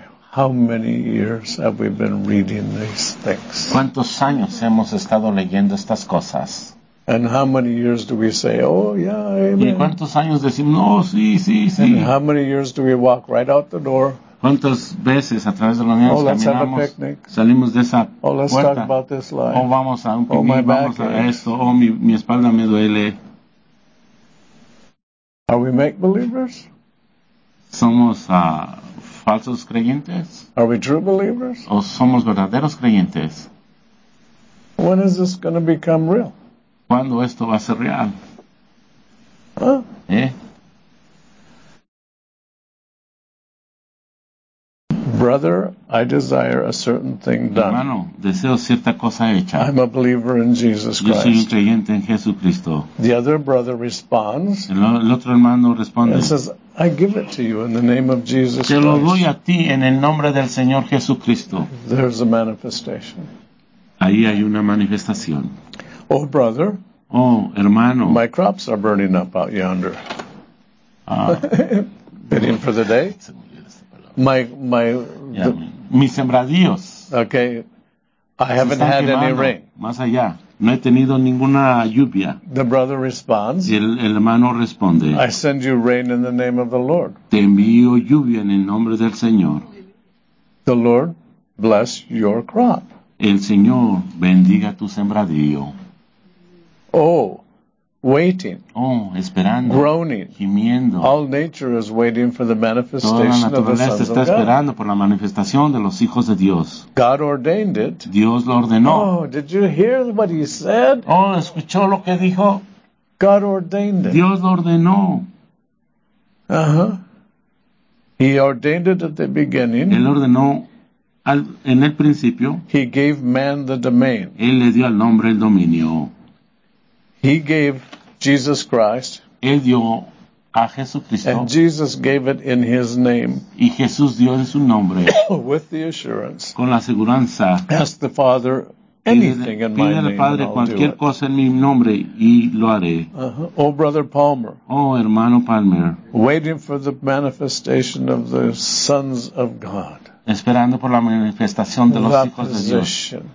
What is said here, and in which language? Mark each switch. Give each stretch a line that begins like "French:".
English: How many years have we been reading these things?
Spanish: ¿Cuántos años hemos estado leyendo estas cosas?
English: And how many years do we say, oh, yeah, amen?
Spanish: ¿Y cuántos años decimos, no, sí, sí, sí?
English: And how many years do we walk right out the door?
Spanish: ¿Cuántas veces a través de los años caminamos, salimos de esa puerta?
English: Oh, let's
Spanish: puerta.
English: Talk about this life.
Spanish: Oh, vamos a un picnic, vamos a esto, oh, mi espalda me duele.
English: Are we make believers?
Spanish: Somos a... ¿Falsos creyentes?
English: Are we true believers?
Spanish: ¿O somos verdaderos creyentes?
English: When is this going to become real?
Spanish: ¿Cuándo esto va a ser real?
English: Huh?
Spanish: ¿Eh?
English: Brother, I desire a certain thing done.
Spanish: Hermano, deseo cierta cosa hecha.
English: I'm a believer in Jesus Christ.
Spanish: Yo soy un creyente en Jesucristo.
English: The other brother responds.
Spanish: El otro hermano responde.
English: And says, I give it to you in the name of Jesus
Spanish: Christ. Te lo doy a ti en el nombre del Señor Jesucristo.
English: There's a manifestation.
Spanish: Ahí hay una manifestación.
English: Oh, brother.
Spanish: Oh, hermano.
English: My crops are burning up out yonder. Bidding for the day.
Spanish: Mis sembradíos.
English: Okay. I haven't had
Spanish: quemando,
English: any rain.
Spanish: Más allá. No he tenido ninguna lluvia.
English: The brother responds.
Spanish: Y el hermano responde.
English: I send you rain in the name of the Lord.
Spanish: Te envío lluvia en el nombre del Señor.
English: The Lord bless your crop.
Spanish: El Señor bendiga tu sembradío.
English: Oh, waiting.
Spanish: Oh, esperando.
English: Groaning.
Spanish: Gimiendo.
English: All nature is waiting for the manifestation of the sons of God.
Spanish: Toda la naturaleza está esperando por la manifestación de los hijos de Dios.
English: God ordained it.
Spanish: Dios lo ordenó.
English: Oh, did you hear what he said?
Spanish: Oh, ¿escuchó lo que dijo?
English: God ordained it.
Spanish: Dios lo ordenó.
English: Uh-huh. He ordained it at the beginning.
Spanish: Él ordenó en el principio.
English: He gave man the domain.
Spanish: Él le dio al hombre el dominio.
English: He gave Jesus Christ.
Spanish: Él dio a Jesucristo.
English: And Jesus gave it in his name.
Spanish: Y Jesús dio en su nombre.
English: With the assurance.
Spanish: Con la seguranza.
English: Ask the Father anything in my name.
Spanish: Pide al Padre cualquier cosa en mi nombre y lo haré.
English: Uh-huh. Oh, brother Palmer.
Spanish: Oh, hermano Palmer.
English: Waiting for the manifestation of the sons of God.
Spanish: Esperando por la manifestación de los hijos de Dios.